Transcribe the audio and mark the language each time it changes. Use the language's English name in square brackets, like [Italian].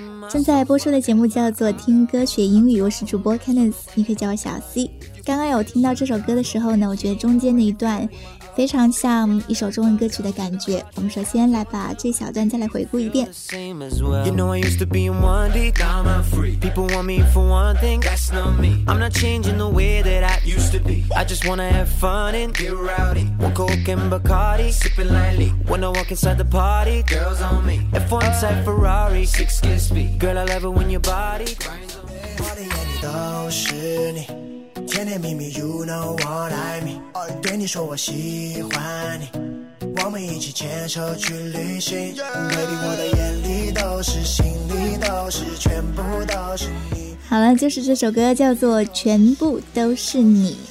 [Chinese] 正在播出的节目叫做听歌学英语，我是主播 Candice， 你可以叫我小 C。刚刚有听到这首歌的时候呢，我觉得中间的一段非常像一首中文歌曲的感觉，我们首先来把这小段再来回顾一遍。 [English] You know I used to be in 1D, now I'm free. People want me for one thing, that's not me. I'm not changing the way that I used to be. I just wanna have fun and get rowdy. One coke and Bacardi, sipping lightly. When I walk inside the party, girls on me. F1 inside Ferrari, 6 kiss me. Girl I love it when your body grinds on me. [Chinese] 甜甜蜜蜜 [English] you know what I mean [Chinese] 对你说我喜欢你我们一起牵手去旅行 Baby 我的眼里都是心里都是全部都是你。好了，就是这首歌叫做《全部都是你》。